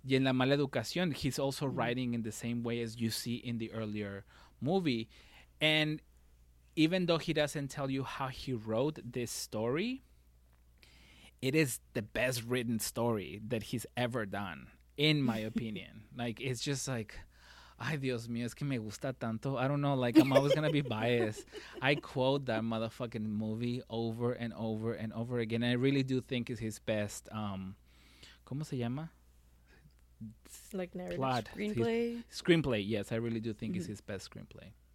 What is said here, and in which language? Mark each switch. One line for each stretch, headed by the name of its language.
Spanish: Y en
English: La Mala Educación, he's also writing in the same way as you see in the earlier movie. And even though he doesn't tell you how he wrote this story, it is the best written story that he's ever done, in my opinion. Like, it's just like...
Spanish: Ay, Dios mío, es que me gusta tanto.
English: I don't know, like, I'm always going to be biased. I quote that motherfucking movie over and over and over again. I really do think it's his best,
Spanish: ¿cómo se llama?
English: Like, narrative plot. Screenplay? Screenplay, yes. I really do think it's his best screenplay.